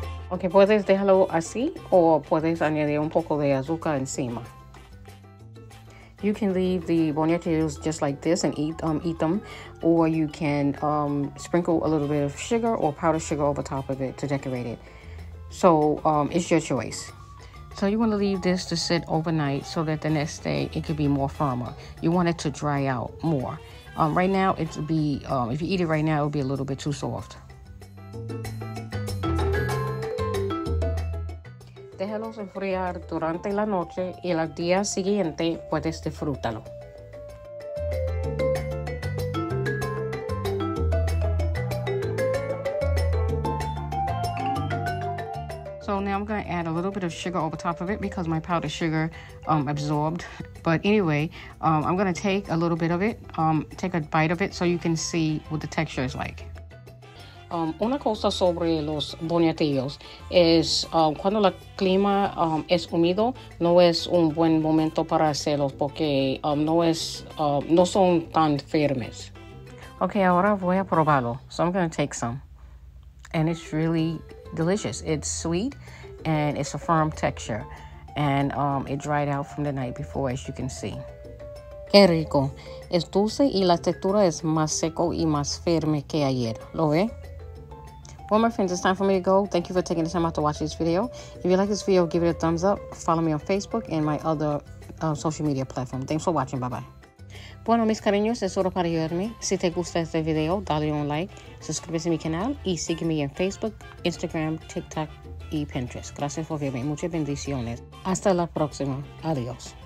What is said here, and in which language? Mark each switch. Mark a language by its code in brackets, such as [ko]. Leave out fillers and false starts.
[es] Okay, puedes dejarlo así o puedes añadir un poco de azúcar encima. [en] You can leave the boniatillos just like this and eat them, or you can sprinkle a little bit of sugar or powdered sugar over top of it to decorate it. So it's your choice. So you want to leave this to sit overnight so that the next day it could be more firmer. You want it to dry out more. Right now if you eat it right now, it'll be a little bit too soft. [es] Déjalos enfriar durante la noche y al día siguiente puedes disfrutarlo. [en] So now I'm going to add a little bit of sugar over top of it because my powdered sugar absorbed. But anyway, I'm going to take a little bit of it, take a bite of it so you can see what the texture is like. [es] Una cosa sobre los boniatillos es cuando el clima es húmedo, no es un buen momento para hacerlos porque no son tan firmes. [en] Okay, [es] ahora voy a probarlo. [en] So I'm going to take some. And it's really delicious. It's sweet and it's a firm texture. And it dried out from the night before, as you can see. [es] Qué rico. Es dulce y la textura es más seco y más firme que ayer. ¿Lo ve? [en] Well, my friends, it's time for me to go. Thank you for taking the time out to watch this video. If you like this video, give it a thumbs up. Follow me on Facebook and my other social media platform. Thanks for watching. Bye-bye. [es] Bueno, mis cariños, es solo para ayudarme. Si te gusta este video, dale un like, suscríbete a mi canal y sígueme en Facebook, Instagram, TikTok y Pinterest. Gracias por verme. Muchas bendiciones. Hasta la próxima. Adiós.